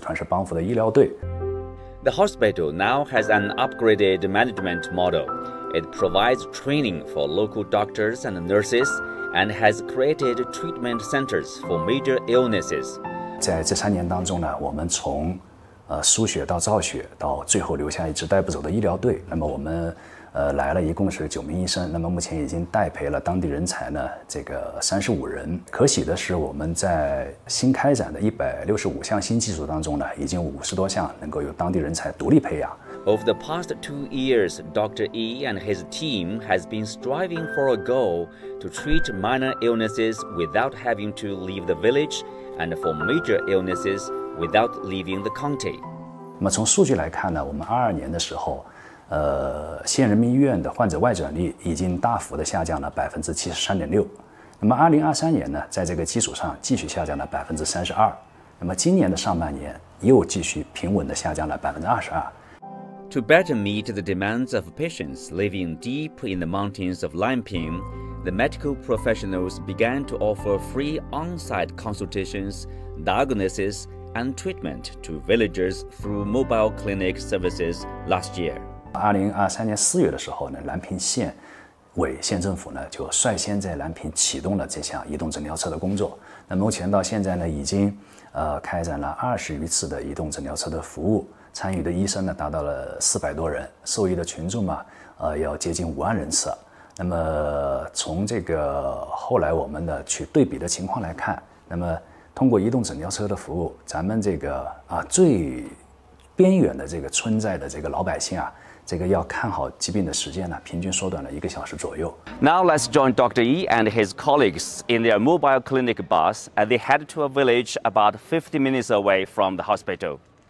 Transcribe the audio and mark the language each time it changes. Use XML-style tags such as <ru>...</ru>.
<en>The hospital now has an upgraded management model. It provides training for local doctors and nurses and has created treatment centers for major illnesses.</en> <zh>在这3年当中呢，我们从输血到造血到最后留下一支带不走的医疗队。那么我们来了一共是9名医生，那么目前已经带培了当地人才呢这个35人。可喜的是，我们在新开展的165项新技术当中呢，已经50多项能够由当地人才独立培养。</zh> <en>Over the past 2 years, Dr. Yi and his team has been striving for a goal to treat minor illnesses without having to leave the village and for major illnesses without leaving the county.</en> <zh>那么从数据来看呢，我们22年的时候，县人民医院的患者外转率已经大幅的下降了73.6%。那么2023年呢，在这个基础上继续下降了32%。那么今年的上半年又继续平稳的下降了22%。</zh> <en>To better meet the demands of patients living deep in the mountains of Lanping, the medical professionals began to offer free on-site consultations, diagnosis, and treatment to villagers through mobile clinic services last year.</en> <zh>2023年4月的时候呢，蓝屏县委县政府呢就率先在蓝屏启动了这项移动诊疗车的工作。那目前到现在呢，已经开展了20余次的移动诊疗车的服务。参与的医生呢达到了400多人，受益的群众嘛，要接近50000人次。那么从这个后来我们的去对比的情况来看，那么通过移动诊疗车的服务，咱们这个最边远的这个村寨的这个老百姓啊，这个要看好疾病的时间呢，平均缩短了1个小时左右。</zh> <en>Now let's join Dr. Yi and his colleagues in their mobile clinic bus as they head to a village about 50 minutes away from the hospital.</en>